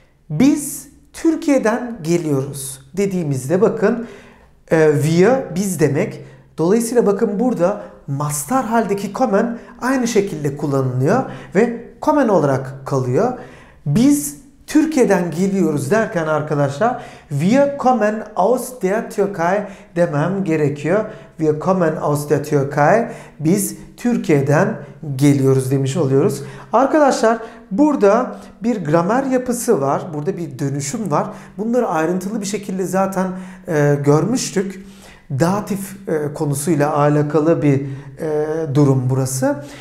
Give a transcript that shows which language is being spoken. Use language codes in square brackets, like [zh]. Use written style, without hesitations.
[tr] Biz Türkiye'den geliyoruz dediğimizde bakın wir, biz demek. Dolayısıyla bakın burada mastar haldeki kommen aynı şekilde kullanılıyor ve kommen olarak kalıyor. Biz Türkiye'den geliyoruz derken arkadaşlar [de] wir kommen aus der Türkei [tr] demem gerekiyor. [de] Wir kommen aus der Türkei. [tr] Biz Türkiye'den geliyoruz demiş oluyoruz. Arkadaşlar burada bir gramer yapısı var. Burada bir dönüşüm var. Bunları ayrıntılı bir şekilde zaten görmüştük. Datif konusuyla alakalı bir durum burası.